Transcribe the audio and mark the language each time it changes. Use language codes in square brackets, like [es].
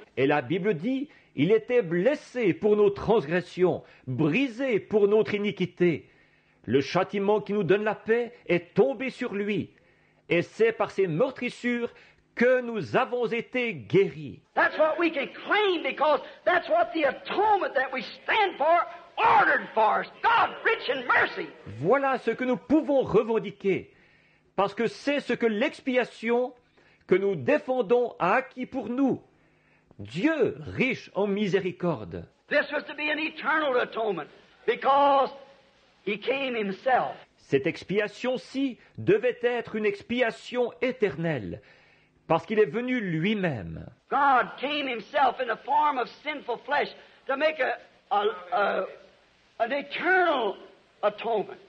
[fr] Et la Bible dit, il était blessé pour nos transgressions, brisé pour notre iniquité. Le châtiment qui nous donne la paix est tombé sur lui. Et c'est par ses meurtrissures que nous avons été guéris. [en] That's what we can claim because that's what the atonement that we stand for ordered for us. God, rich in mercy. [fr] Voilà ce que nous pouvons revendiquer. Parce que c'est ce que l'expiation que nous défendons a acquis pour nous. Dieu, riche en miséricorde. [en] This was to be an eternal atonement because he came himself. [fr] Cette expiation-ci devait être une expiation éternelle, parce qu'il est venu lui-même. [en] God came himself in the form of sinful flesh to make an eternal atonement.